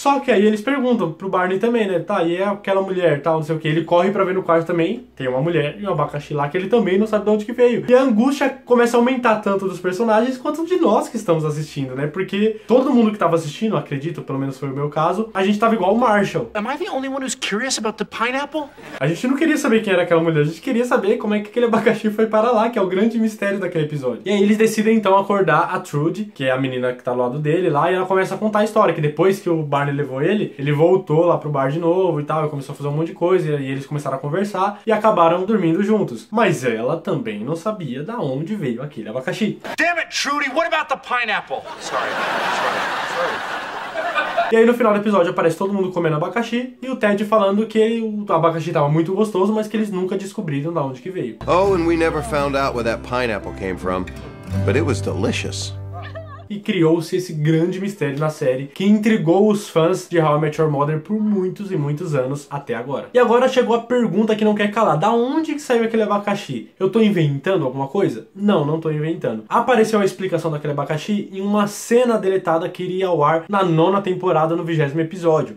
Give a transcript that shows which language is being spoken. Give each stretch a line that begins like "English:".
Portuguese: Só que aí eles perguntam pro Barney também, né, tá, e é aquela mulher, tal, não sei o que, ele corre pra ver no quarto também, tem uma mulher e um abacaxi lá que ele também não sabe de onde que veio. E a angústia começa a aumentar tanto dos personagens quanto de nós que estamos assistindo, né, porque todo mundo que tava assistindo, acredito, pelo menos foi o meu caso, a gente tava igual o Marshall.
English: Am I the only one who's curious about the pineapple?
Portuguese: A gente não queria saber quem era aquela mulher, a gente queria saber como é que aquele abacaxi foi para lá, que é o grande mistério daquele episódio. E aí eles decidem então acordar a Trude, que é a menina que tá do lado dele lá, e ela começa a contar a história, que depois que o Barney levou ele, ele voltou lá pro bar de novo e tal, e começou a fazer um monte de coisa, e aí eles começaram a conversar e acabaram dormindo juntos. Mas ela também não sabia da onde veio aquele abacaxi.
English: Damn it, Trude, what about the pineapple? Sorry.
Portuguese: E aí no final do episódio aparece todo mundo comendo abacaxi e o Ted falando que o abacaxi tava muito gostoso, mas que eles nunca descobriram de onde que veio.
English: Oh, and we never found out where that pineapple came from, but it was delicious.
Portuguese: E criou-se esse grande mistério na série que intrigou os fãs de How I Met Your Mother por muitos e muitos anos até agora. E agora chegou a pergunta que não quer calar: da onde que saiu aquele abacaxi? Eu tô inventando alguma coisa? Não, não tô inventando. Apareceu a explicação daquele abacaxi em uma cena deletada que iria ao ar na 9ª temporada, no 20º episódio.